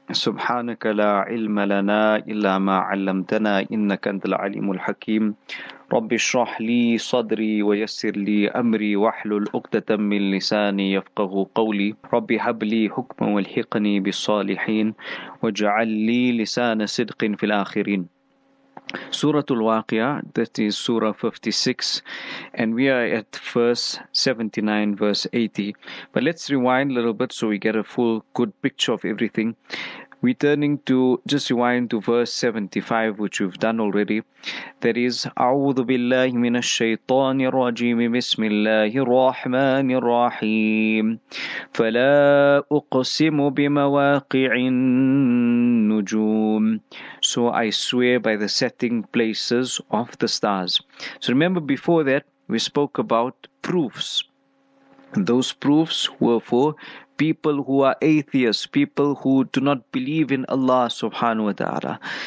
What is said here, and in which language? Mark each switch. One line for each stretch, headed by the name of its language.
Arabic: سبحانك لا علم لنا إلا ما علمتنا إنك أنت العليم الحكيم. رب اشرح لي صدري ويسر لي أمري واحلل عقدة من لساني يفقه قولي. رب هب لي حكما والحقني بالصالحين واجعل لي لسان صدق في الآخرين.
English: Surah Al-Waqi'ah, that is Surah 56, and we are at verse 79, verse 80. But let's rewind a little bit so we get a full good picture of everything. Rewind to verse 75, which we've done already. That is,
Arabic: أعوذ بالله من الشيطان الرجيم بسم الله الرحمن الرحيم فلا أقسم بمواقع النجوم.
English: So I swear by the setting places of the stars. So remember, before that, we spoke about proofs. Those proofs were for people who are atheists, people who do not believe in Allah subhanahu wa ta'ala.